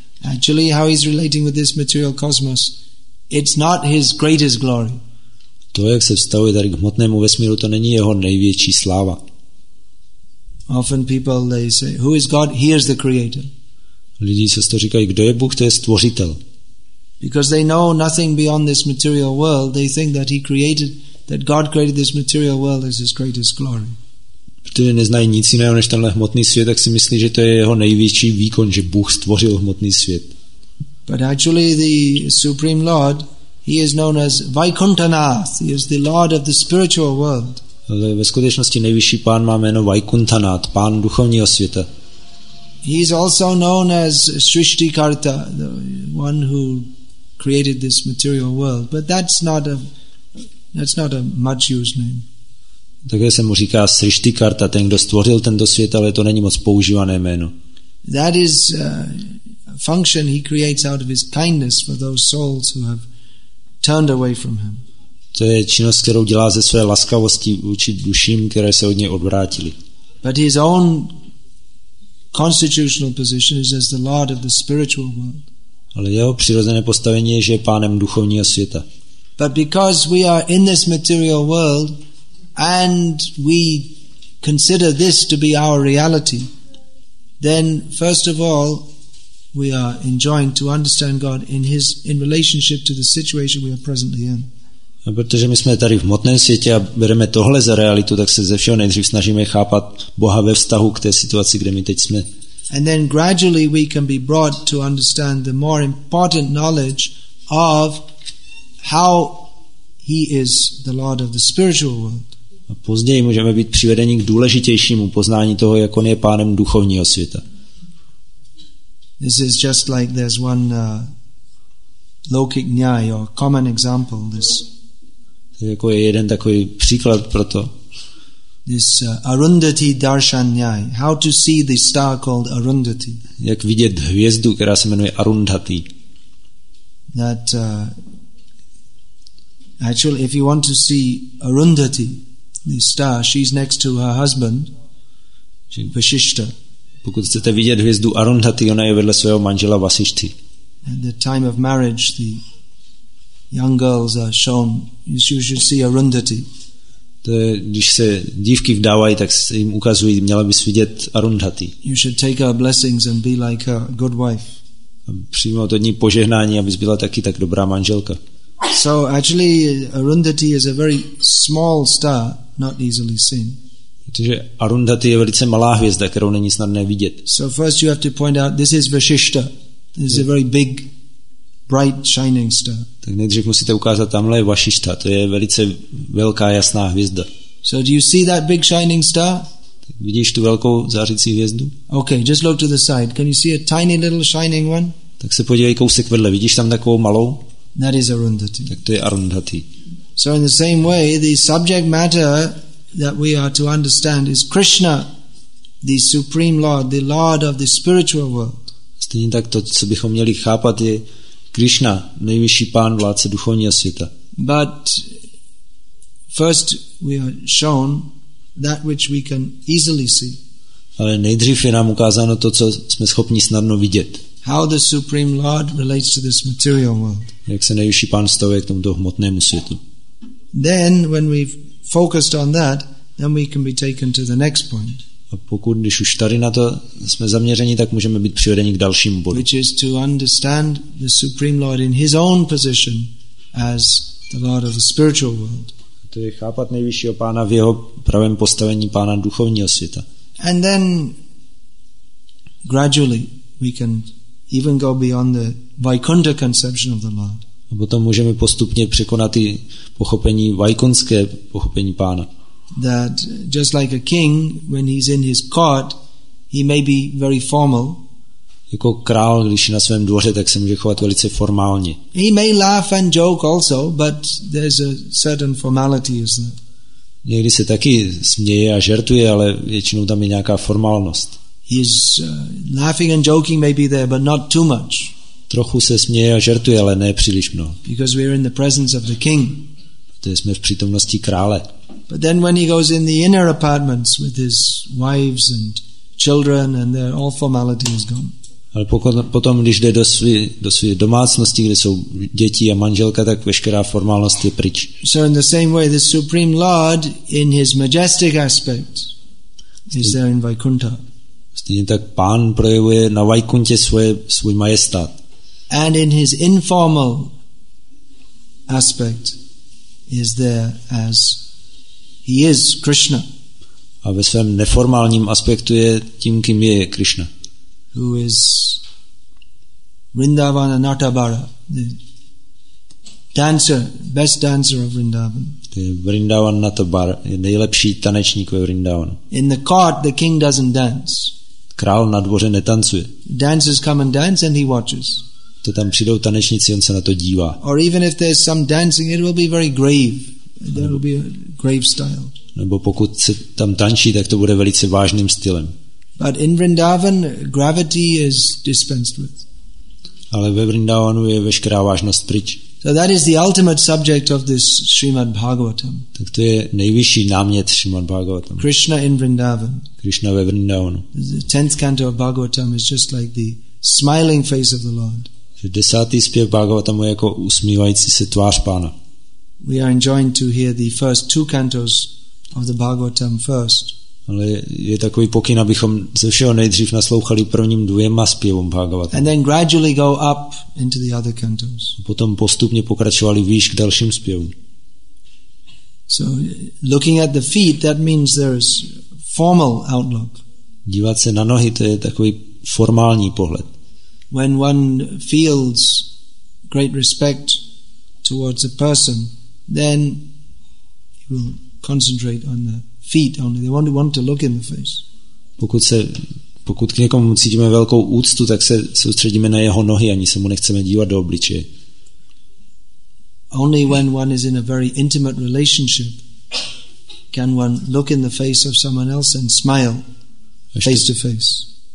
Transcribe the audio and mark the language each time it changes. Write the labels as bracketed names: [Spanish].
[English] Actually, how he's relating with this material cosmos, it's not his greatest glory. [Czech] To, jak se vztahuje tady k hmotnému vesmíru, to není jeho největší sláva. [English] Often people, they say, who is God? He is the creator. [Czech] Lidi se to říkají, kdo je Bůh, to je stvořitel. [English] Because they know nothing beyond this material world, they think that God created this material world as his greatest glory. [Czech] protože neznají nic jiného než tenhle hmotný svět, tak si myslí, že to je jeho největší výkon, že Bůh stvořil hmotný svět. [English] But actually the Supreme Lord, he is known as Vaikunthanath, he is the Lord of the spiritual world. [Czech] Ale ve skutečnosti nejvyšší pán má jméno Vaikunthanath, pán duchovního světa. [English] He is also known as Srishtikarta, the one who created this material world, but that's not a much used name. [Czech] Také se mu říká Srishtikarta, ten, kdo stvořil tento svět, ale to není moc používané jméno. [English] That is a function he creates out of his kindness for those souls who have turned away from him. [Czech] To je činnost, kterou dělá ze své laskavosti vůči duším, které se od něj odvrátily. [English] But his own constitutional position is as the Lord of the spiritual world. [Czech] Ale jeho přirozené postavení je, že je pánem duchovního světa. [English] But because we are in this material world and we consider this to be our reality, then first of all we are enjoined to understand God in relationship to the situation we are presently in. [Czech] A protože my jsme tady v hmotném světě a bereme tohle za realitu, tak se ze všeho nejdřív snažíme chápat Boha ve vztahu k té situaci, kde my teď jsme. [English] And then gradually we can be brought to understand the more important knowledge of how he is the Lord of the spiritual world. [Czech] A později můžeme být přivedeni k důležitějšímu poznání toho, jak on je pánem duchovního světa. [English] This is just like there's one Lokik Nyaj or common example, this. [Czech] To je jako jeden takový příklad pro to. [English] This Arundhati Darshan Nyai. How to see the star called Arundhati. [Czech] Jak vidět hvězdu, která se jmenuje Arundhati. [English] That actually, if you want to see Arundhati, the star, she's next to her husband, Vasishtha. [Czech] Pokud chcete vidět hvězdu Arundhati, ona je vedle svého manžela Vasishthy. [English] At the time of marriage, the young girls are shown, you should see Arundhati. [Czech] To je, když se dívky vdávají, tak se jim ukazují, měla bys vidět Arundhati. [English] You should take her blessings and be like a good wife. [Czech] Přijmout od ní požehnání, abys byla taky tak dobrá manželka. [English] So actually Arundhati is a very small star, not easily seen. [Czech] Protože Arundhati je velice malá hvězda, kterou není snadné vidět. [English] So first you have to point out this is Vasishtha. This is a very big bright shining star. [Czech] Tak nejdřív musíte ukázat, tamhle je Vasishtha, to je velice velká jasná hvězda. [English] So do you see that big shining star? [Czech] Tak vidíš tu velkou zářící hvězdu? [English] Okay, just look to the side. Can you see a tiny little shining one? [Czech] Tak se podívej kousek vedle, vidíš tam takovou malou? [English] That is Arundhati. [Czech] Tak to je Arundhati. [English] So in the same way, the subject matter that we are to understand is Krishna, the Supreme Lord, the Lord of the spiritual world. [Czech] Stejně tak to, co bychom měli chápat, je Krishna, nejvyšší pán vládce duchovního světa. [English] But first we are shown that which we can easily see. [Czech] Ale nejdřív je nám ukázáno to, co jsme schopni snadno vidět. [English] How the Supreme Lord relates to this material world. [Czech] Jak se nejvyšší pán stavuje k tomuto hmotnému světu. [English] Then when we've focused on that, then we can be taken to the next point. [Czech] A pokud když už tady na to jsme zaměřeni, tak můžeme být přivedeni k dalšímu bodu. [English] Which is to understand the Supreme Lord in his own position as the Lord of the spiritual world. [Czech] To je chápat nejvyššího pána v jeho pravém postavení pána duchovního světa. [English] And then gradually we can even go beyond the Vaikuntha conception of the Lord. [Czech] A potom můžeme postupně překonat i pochopení vaikunské pochopení pána. [English] That just like a king when he's in his court he may be very formal. [Czech] Jako král, když je na svém dvoře, tak se může chovat velice formálně. [English] He may laugh and joke also, but there's a certain formality, isn't there? [Czech] Někdy se taky směje a žertuje, ale většinou tam je nějaká formálnost. [English] He's laughing and joking may be there, but not too much. [Czech] Trochu se směje a žertuje, ale ne příliš mnoho. [English] Because we're in the presence of the king. [Czech] Protože jsme v přítomnosti krále. [English] But then when he goes in the inner apartments with his wives and children and their all formality is gone. [Czech] Ale potom když jde do své domácnosti, kde jsou děti a manželka, tak veškerá formálnost je pryč. [English] So in the same way the Supreme Lord in his majestic aspect is there in Vaikuntha. [Czech] Stejně tak pán projevuje na Vaikuntě svůj majestát. [English] And in his informal aspect is there as he is Krishna. [Czech] a ve svém neformálním aspektu je tím, kým je Krishna. [English] Who is Vrindavana Natabara, the dancer, best dancer of Vrindavan. [Czech] Vrindavan Natabara je nejlepší tanečník ve Vrindavanu. [English] In the court, the king doesn't dance. [Czech] Král na dvoře netancuje. [English] Dancers come and dance and he watches. [Czech] To tam přijdou tanečníci, on se na to dívá. [English] Or even if there's some dancing, it will be very grave. There will be a grave style. [Czech] Nebo pokud se tam tančí, tak to bude velice vážným stylem. [English] But in Vrindavan, gravity is dispensed with. [Czech] Ale ve Vrindavanu je veškerá vážnost pryč. [English] So that is the ultimate subject of this Srimad Bhagavatam. [Czech] Tak to je nejvyšší námět Srimad Bhagavatam. [English] Krishna in Vrindavan. [Czech] Krishna ve Vrindavanu. [English] The 10th canto of Bhagavatam is just like the smiling face of the Lord. [Czech] Desátý zpěv Bhagavatamu je jako usmívající se tvář Pána. [English] We are enjoined to hear the first two cantos of the Bhagavatam first. [Czech] Ale je takový pokyn, abychom ze všeho nejdřív naslouchali prvním dvěma zpěvům Bhagavatam. [English] And then gradually go up into the other cantos. [Czech] Potom postupně pokračovali výš k dalším zpěvům. [English] So looking at the feet, that means there is formal outlook. [Czech] Dívat se na nohy, to je takový formální pohled. [English] When one feels great respect towards a person, then he will concentrate on the feet only. They won't want to look in the face. [Czech] Pokud k někomu cítíme velkou úctu, tak se soustředíme na jeho nohy, ani se mu nechceme dívat do obličeje. [English] Only when one is in a very intimate relationship can one look in the face of someone else and smile face to face.